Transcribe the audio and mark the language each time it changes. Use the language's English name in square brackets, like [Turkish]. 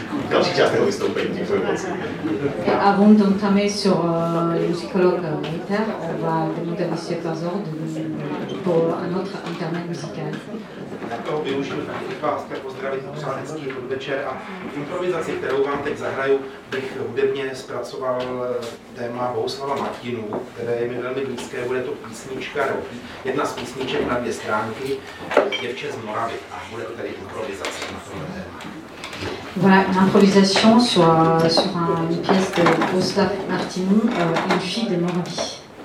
[Czech] Další část jeho vystoupení, děkuji moc. [French] Avant d'entamer sur le musicologue Ritter, on va demander à monsieur Pazour pour un autre intermède musical. [Czech] Tak toho využiju faktické vás chtěl pozdravit a přát hezký podvečer, a improvizaci, kterou vám teď zahraju, bych hudebně zpracoval téma Bohuslava Martinů, které je mi velmi blízké. Bude to písnička, jedna z písniček na dvě stránky, Děvče z Moravy, a bude to tady improvizace na tohle téma. [French] Voilà une improvisation sur une pièce de Bohuslav Martinů, Une fille de Moravie.